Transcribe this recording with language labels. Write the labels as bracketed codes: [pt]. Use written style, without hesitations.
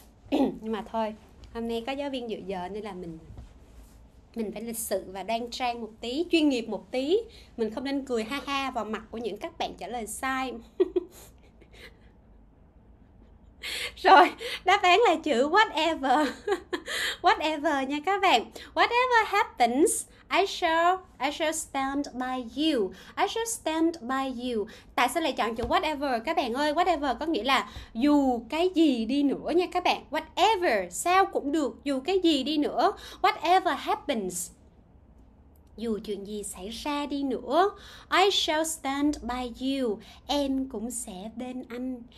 [vi] Nhưng mà thôi, hôm nay có giáo viên dự giờ nên là mình phải lịch sự và đoan trang một tí, chuyên nghiệp một tí. Mình không nên cười ha ha vào mặt của những các bạn trả lời sai. Rồi, đáp án là chữ whatever. Whatever nha các bạn. [en] Whatever happens, I shall stand by you. I shall stand by you. [vi] Tại sao lại chọn chữ whatever các bạn ơi? Whatever có nghĩa là dù cái gì đi nữa nha các bạn. Whatever, sao cũng được, dù cái gì đi nữa. [en] Whatever happens, [vi] dù chuyện gì xảy ra đi nữa. [en] I shall stand by you. [vi] Em cũng sẽ bên anh.